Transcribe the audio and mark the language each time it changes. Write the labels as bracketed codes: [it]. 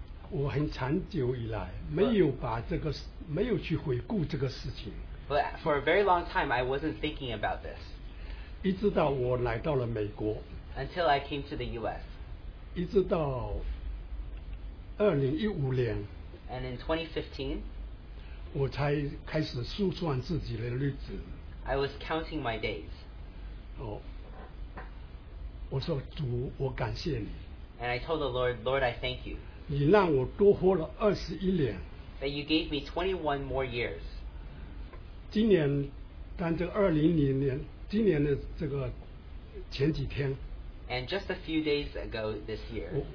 [zh] 我很长久以来, 没有把这个, 没有去回顾这个事情, [en] but for a very long time I wasn't thinking about this. [zh] 一直到我来到了美国, [en] until I came to the US. [zh] 一直到2015年, [en] and in 2015, [zh] 我才开始数算自己的日子, [en] I was counting my days. [zh] 哦, 我说, 主, 我感谢你, [en] and I told the Lord, Lord, I thank you. [zh] 你让我多活了21年, [en] that you gave me 21 more years. [zh] 今年, 当这2000年, 今年的这个前几天, [en] and just a few days ago this year,